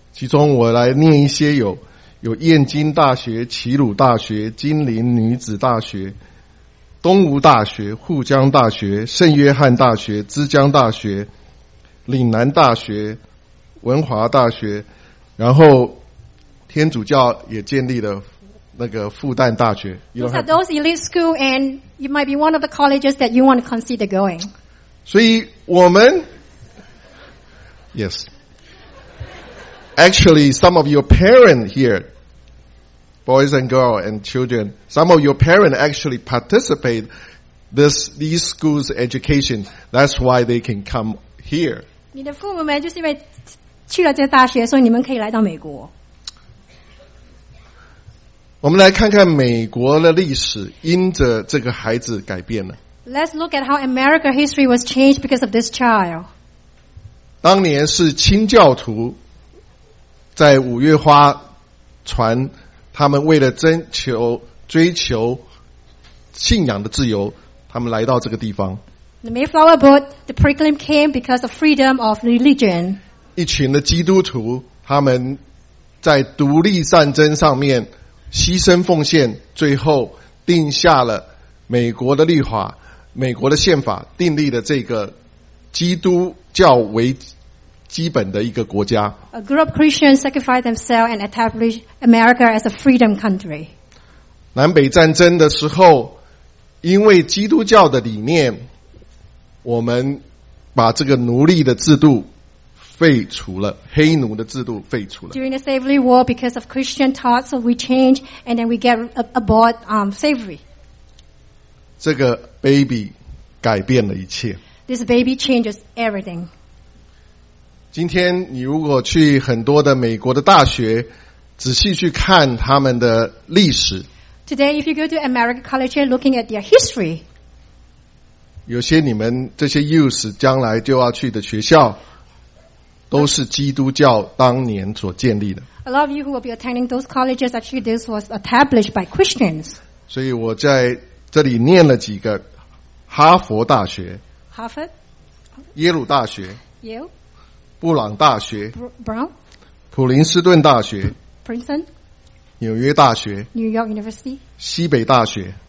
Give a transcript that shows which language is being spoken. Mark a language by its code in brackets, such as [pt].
[zh] 其中我来念一些，有燕京大学、齐鲁大学、金陵女子大学、东吴大学、沪江大学、圣约翰大学、资江大学、岭南大学、文华大学，然后天主教也建立了那个复旦大学。 [en] These are those elite school, and you might be one of the colleges that you want to consider going. [zh] 所以我们 ， [en] Yes, actually, some of your parents here. Boys and girls and children, some of your parents actually participate these schools' education. That's why they can come here. [zh] 你的父母们就是因为去了这大学，所以你们可以来到美国。我们来看看美国的历史，因着这个孩子改变了。 [en] Let's look at how America history was changed because of this child. [zh] 当年是清教徒在五月花船。他们为了追求信仰的自由，他们来到这个地方。 [en] The Mayflower boat, the pilgrim came because of freedom of religion. [zh] 一群的基督徒，他们在独立战争上面牺牲奉献，最后定下了美国的律法，美国的宪法，订立了这个基督教为基本的一个国家。 [en] A group of Christians sacrificed themselves and established America as a freedom country. [zh] 南北战争的时候，因为基督教的理念，我们把这个奴隶的制度废除了，黑奴的制度废除了。 [en] During the slavery war, because of Christian thoughts, so we change and then we get aboard slavery. [zh] 这个 baby 改变了一切。 [en] This baby changes everything. [zh] 今天你如果去很多的美国的大学，仔细去看他们的历史。 [en] Today, if you go to American college, looking at their history. [zh] 有些你们这些 youth 将来就要去的学校，都是基督教当年所建立的。 [en] A lot of you who will be attending those colleges, actually this was established by Christians. [zh] 所以我在这里念了几个哈佛大学。 [en] Harvard. [zh] 耶鲁大学。 [en] Yale. [zh] 布朗大学 [en] Brown? [zh] 普林斯顿大学 [en] Princeton? [zh] 纽约大学 [en] New York University? [zh] 西北大学